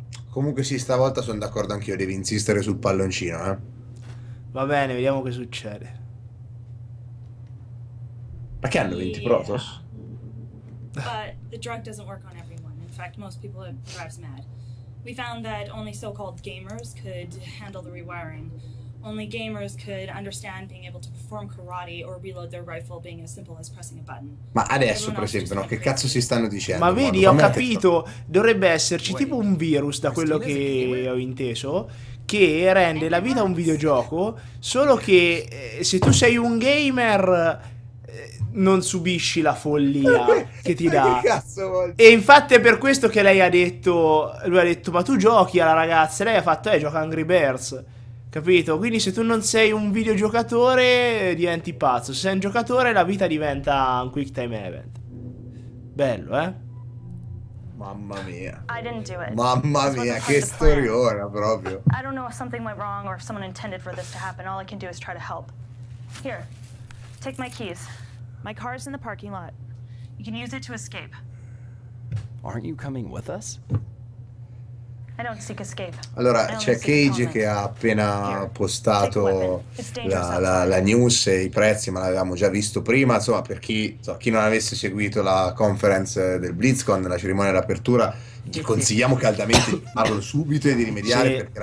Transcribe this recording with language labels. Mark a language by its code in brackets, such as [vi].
[it] Comunque sì, stavolta sono d'accordo anch'io, devi insistere sul palloncino, eh. Va bene, vediamo che succede. Ma che hanno 20 Protoss? [en] But the drug doesn't work on everyone. In fact, most people it drives mad. We found that only so-called gamers could handle the rewiring. Only gamers could understand being able to perform karate or reload their rifle being as simple as pressing a button. [it] Ma adesso, per esempio, no? Che cazzo si stanno dicendo? Ma vedi, ho capito. Dovrebbe esserci tipo un virus, da quello che ho inteso, che rende la vita un videogioco, solo che se tu sei un gamer non subisci la follia che ti dà. Che cazzo vuol dire? E infatti è per questo che lei ha detto, lui ha detto, ma tu giochi alla ragazza, e lei ha fatto, gioca Angry Birds, capito? Quindi se tu non sei un videogiocatore diventi pazzo, se sei un giocatore la vita diventa un quick time event. Bello, eh? Mamma mia. [en] I didn't do it. [it] Mamma mia, che storiona proprio. [en] I don't know if something went wrong or if someone intended for this to happen, all I can do is try to help. Here, take my keys. My car is in the parking lot. You can use it to escape. Aren't you coming with us? I don't seek escape. [it] Allora, [en] I don't [it] c'è Cage che ha appena postato la news e i prezzi, ma l'avevamo già visto prima. Insomma, per chi non avesse seguito la conference del BlizzCon, la cerimonia d'apertura, gli consigliamo caldamente di farlo subito e di rimediare, sì.